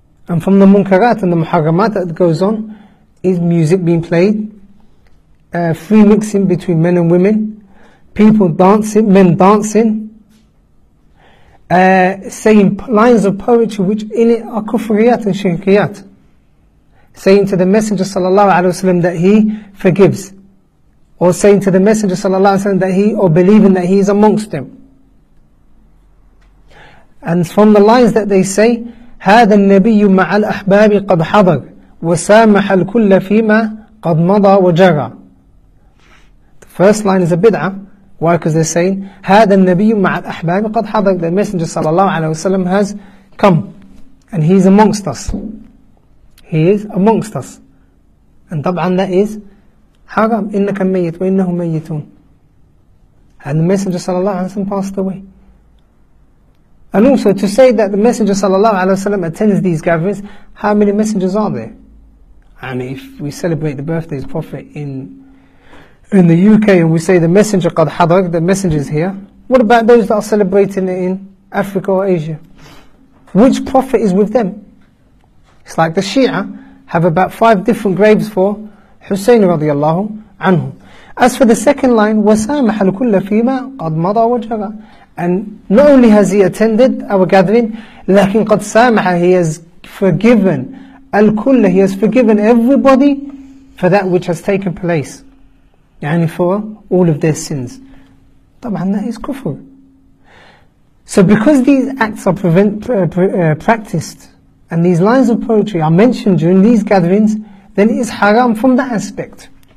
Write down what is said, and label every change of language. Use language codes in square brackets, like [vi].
[en] And from the munkarat and the muharramat that goes on, is music being played, free mixing between men and women, people dancing, men dancing, saying lines of poetry which in it are kufriyat and shirkiyat, saying to the Messenger sallallahu alaihi wasallam that he forgives, or saying to the Messenger sallallahu alaihi wasallam that he, or believing that he is amongst them. And from the lines that they say, [ar] هذا النبي مع الأحباب قد حضر وسامح الكل فيما قد مضى وجرى. [en] The first line is a bid'ah. Why? Because they're saying [ar] هذا النبي مع الأحباب قد حضر. [en] The Messenger sallallahu alaihi wasallam has come, and he is amongst us. He is amongst us. And طبعاً that is حرام. [ar] إنك ميت وإنهم ميتون. [en] And the Messenger sallallahu alaihi wasallam passed away. And also to say that the Messenger sallallahu alaihi wasallam attends these gatherings, how many messengers are there? And if we celebrate the birthday of the Prophet in the UK and we say the Messenger qad hadar, the Messenger is here, what about those that are celebrating it in Africa or Asia? Which Prophet is with them? It's like the Shia have about 5 different graves for Hussein radiallahu anhu. As for the second line, [ar] وَسَامَحَ الْكُلَّ فِيمَا قَدْ مَضَى وَجَرَى. [en] And not only has he attended our gathering, [ar] لكن قد سامح, [en] he has forgiven الكل, he has forgiven everybody for that which has taken place, يعني for all of their sins. طبعا that is كفر. So because these acts are practiced and these lines of poetry are mentioned during these gatherings, then it is haram from that aspect.